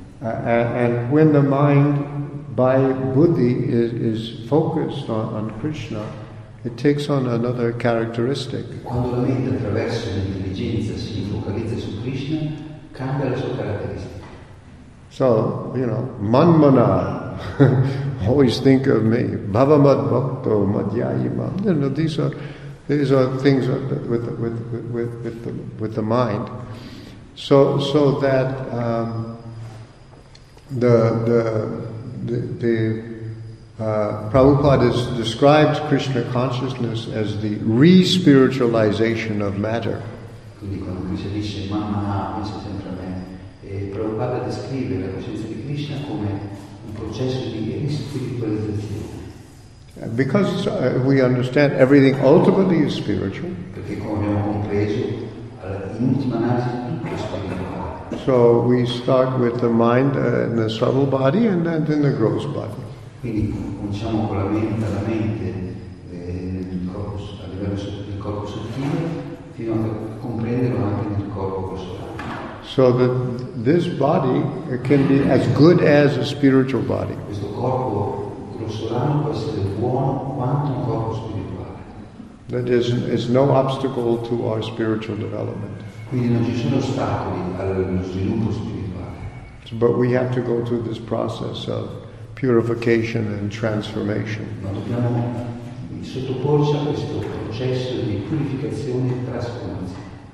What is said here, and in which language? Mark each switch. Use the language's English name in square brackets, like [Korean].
[English] And when the mind by buddhi is focused on Krishna, it takes on another characteristic. [Italian] Quando la mente attraverso l'intelligenza si focalizza su Krishna, cambia la sua caratteristica. [English] So, you know, manmana. Always think of me. [Sanskrit] Bhavamad bhakto madhyayima. [English] You know, these are things with the mind. So that Prabhupada describes Krishna consciousness as the re-spiritualization of matter. [Italian] Quindi quando lui si dice manmana, penso sempre a me, Prabhupada descrive la coscienza di Krishna come un processo di re-spiritualizzazione. [English] Because we understand everything ultimately is spiritual. [Italian] Perché come abbiamo compreso, in ultima analisi tutto è spirituale. [English] So we start with the mind and the subtle body and then in the gross body. [Italian] Quindi cominciamo con la mente a livello del corpo sottile fino a comprenderlo anche nel corpo solare. [English] So that this body can be as good as a spiritual body. [Italian] Questo corpo grossolano può essere buono quanto un corpo spirituale. [English] That is no obstacle to our spiritual development. [Italian] Quindi non ci sono ostacoli allo sviluppo spirituale. [English] But we have to go through this process of purification and transformation. [Italian] Ma dobbiamo sottoporci a questo processo di purificazione e trasformazione.